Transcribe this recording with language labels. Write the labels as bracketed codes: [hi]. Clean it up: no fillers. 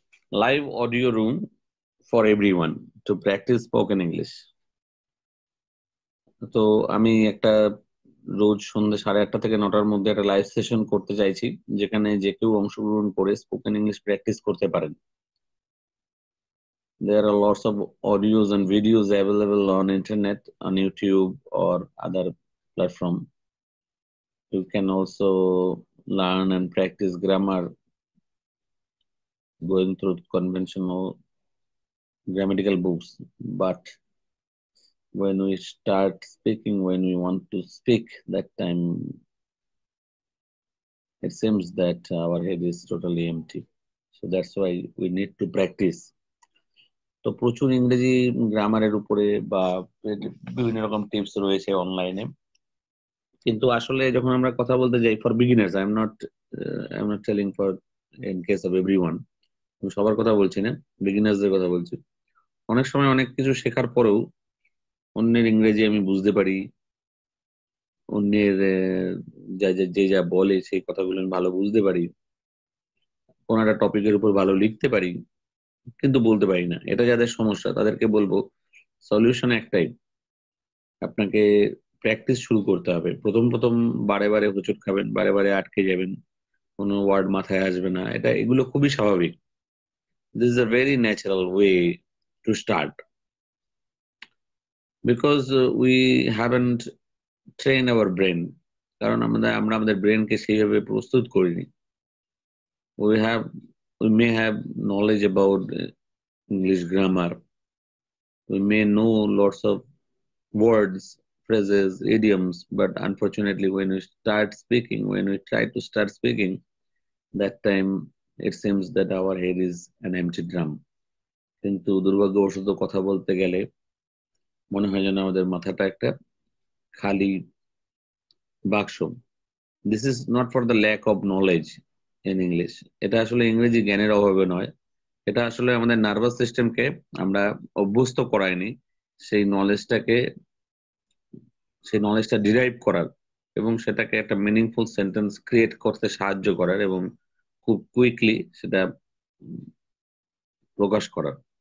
[en] Live audio room for everyone to practice spoken English. [bn] So, আমি একটা রোজ সন্ধ্যে 8:30 থেকে 9টার মধ্যে একটা লাইভ সেশন করতে চাইছি যেখানে যে কেউ অংশগ্রহণ করে স্পোকেন ইংলিশ প্র্যাকটিস করতে পারেন. [en] There are lots of audios and videos available on internet, on YouTube or other platform. You can also learn and practice grammar going through conventional grammatical books. But when we start speaking, when we want to speak, that time it seems that our head is totally empty. So that's why we need to practice. [bn] So প্রচুর ইংরেজি গ্রামারের উপরে বা বিভিন্ন রকম tips রয়েছে অনলাইনে. কিন্তু আসলে যখন আমরা কথা বলতে যাই, for beginners, I am not telling for in case of everyone, আমি সবার কথা বলছি না, বিগিনার্সদের কথা বলছি. অনেক সময় অনেক কিছু শেখার পরেও অন্যের ইংরেজি আমি বুঝতে পারি, অন্যের যা যা যে যা বলে সেই কথাগুলো আমি ভালো বুঝতে পারি, কোন একটা টপিকের উপর ভালো লিখতে পারি, কিন্তু বলতে পারি না. এটা যাদের সমস্যা তাদেরকে বলবো সলিউশন একটাই, আপনাকে প্র্যাকটিস শুরু করতে হবে. প্রথম প্রথম বারে বারে হোঁচট খাবেন, বারে বারে আটকে যাবেন, কোনো ওয়ার্ড মাথায় আসবে না, এটা এগুলো খুবই স্বাভাবিক. [en] This is a very natural way to start, because we haven't train our brain, কারণ আমরা আমাদের ব্রেনকে সেইভাবে প্রস্তুত করিনি. We may have knowledge about English grammar, we may know lots of words, phrases, idioms, but unfortunately when we start speaking, when we try to start speaking, that time it seems that our head is an empty drum. [bn] কিন্তু দুর্ভাগ্যবশত কথা বলতে গেলে মনে হয় যেন আমাদের মাথাটা একটা খালি বাক্স. [en] This is not for the lack of knowledge in English. [bn] এটা আসলে ইংরেজি জ্ঞানের অভাবে নয়, এটা আসলে আমাদের নার্ভাস সিস্টেমকে আমরা অভ্যস্ত করাইনি সেই নলেজটাকে, সেই নলেজটা ডিরাইভ করার এবং সেটাকে একটা মিনিংফুল সেন্টেন্স ক্রিয়েট করতে সাহায্য করার এবং খুব কুইকলি সেটা প্রকাশ করার.